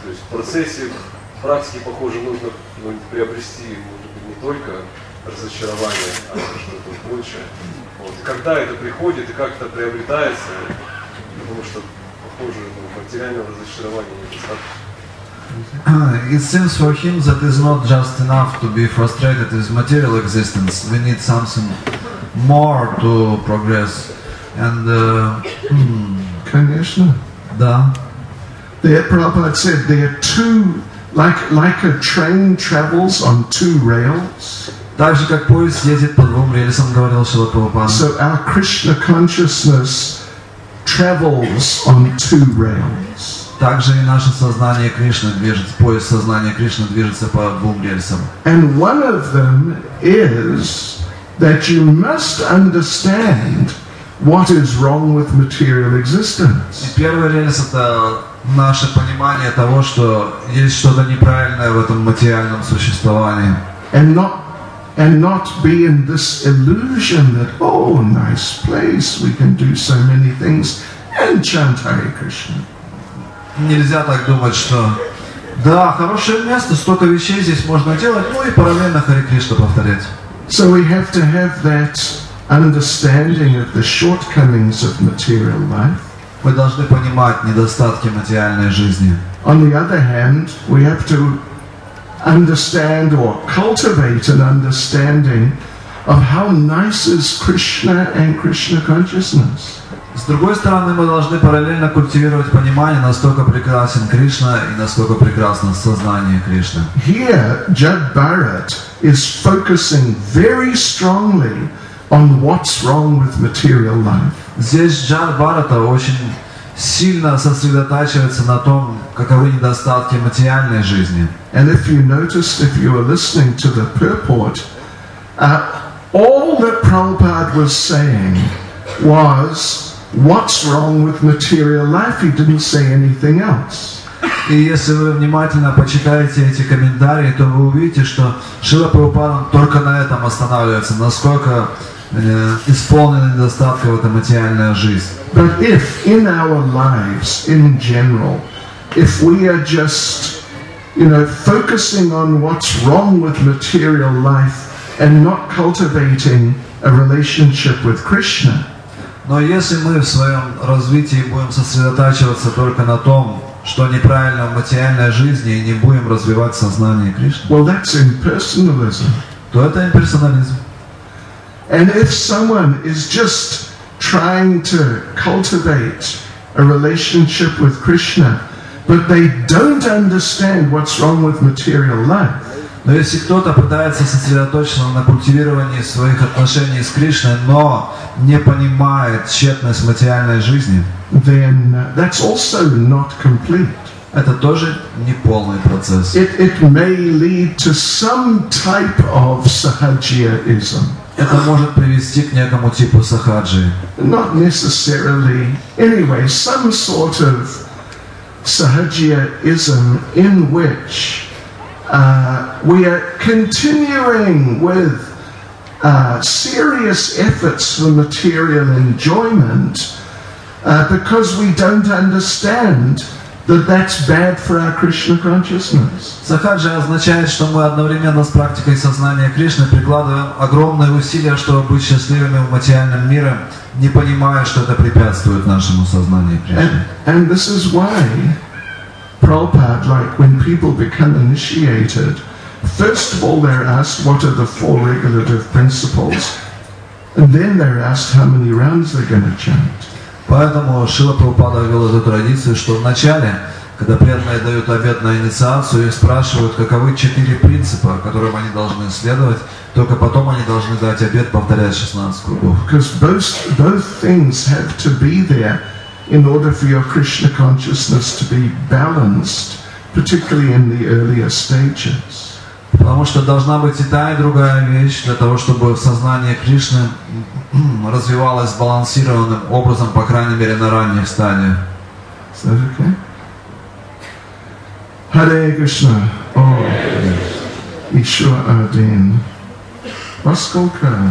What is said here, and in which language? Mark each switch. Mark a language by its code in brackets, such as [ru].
[ru] То есть в процессе практики, похоже, нужно ну, приобрести, может быть, не только разочарование, а что-то большее. Вот. Когда это приходит и как это приобретается, потому что, похоже, ну, материального разочарования недостаточно. [en] It seems for him that it's not just enough to be frustrated with material existence. We need something more to progress. And [ru] конечно. Да. [en] The Prabhupada said there are two like a train travels on two rails. [ru] Так же как поезд едет по двум рельсам, говорил Шрила Прабхупада. [en] So our Krishna consciousness travels on two rails. [ru] Также и наше сознание Кришны движется, поезд сознания Кришны движется по двум рельсам. [en] And one of them is that you must understand what is wrong with material existence. [ru] И первый рельс – это наше понимание того, что есть что-то неправильное в этом материальном существовании. [en] And not be in this illusion that, oh, nice place, we can do so many things and chant Hare Krishna. [ru] Нельзя так думать, что да, хорошее место, столько вещей здесь можно делать, ну и параллельно Харе Кришна повторять. [en] So we have to have that understanding of the shortcomings of material life. [ru] Мы должны понимать недостатки материальной жизни. [en] On the other hand, we have to understand or cultivate an understanding of how nice is Krishna and Krishna consciousness. [ru] С другой стороны, мы должны параллельно культивировать понимание, насколько прекрасен Кришна и насколько прекрасно сознание Кришны. [en] Here, Judd Barrett is focusing very strongly on what's wrong with material life. [ru] Здесь Джад Барретта очень сильно сосредотачивается на том, каковы недостатки материальной жизни. [en] And if you noticed, if you were listening to the purport, all that Prabhupada was saying was what's wrong with material life? He didn't say anything else. [ru] И если вы внимательно почитаете эти комментарии, то вы увидите, что Шрила Прабхупада только на этом останавливается, насколько исполнены недостатки в этой материальной жизни. [en] But if in our lives, in general, if we are just, you know, focusing on what's wrong with material life and not cultivating a relationship with Krishna. [ru] Но если мы в своем развитии будем сосредотачиваться только на том, что неправильно в материальной жизни, и не будем развивать сознание Кришны, [en] well, that's impersonalism. [ru] То это имперсонализм. [en] And if someone is just trying to cultivate a relationship with Krishna, but they don't understand what's wrong with material life. [ru] Но если кто-то пытается сосредоточиться на культивировании своих отношений с Кришной, но не понимает тщетность материальной жизни, [en] then that's also not complete. [ru] Это тоже не полный процесс. [en] It may lead to some type of sahajiaism. [ru] Это может привести к некому типу сахаджи. [en] Not necessarily. Anyway, some sort of sahajiaism in which we are continuing with serious efforts for material enjoyment because we don't understand that that's bad for our Krishna consciousness. [ru] Сахаджа означает, что мы одновременно с практикой сознания Кришны прикладываем огромные усилия, чтобы быть счастливыми в материальном мире, не понимая, что это препятствует нашему сознанию Кришны. [en] And this is why Prabhupada, like when people become initiated, first of all they're asked what are the four regulative principles, and then they're asked how many rounds they're going to chant. [ru] Поэтому Шрила Прабхупада ввел эту традицию, что вначале, когда преданные дают обет на инициацию, их спрашивают, каковы четыре принципа, которым они должны следовать, только потом они должны дать обет, повторять 16 кругов. [en] Because both things have to be there in order for your Krishna consciousness to be balanced, particularly in the earlier stages. [ru] Потому что должна быть и та, и другая вещь для того, чтобы сознание Кришны развивалось сбалансированным образом, по крайней мере, на ранних стадиях. Hare Krishna, о, еще один. Поскольку...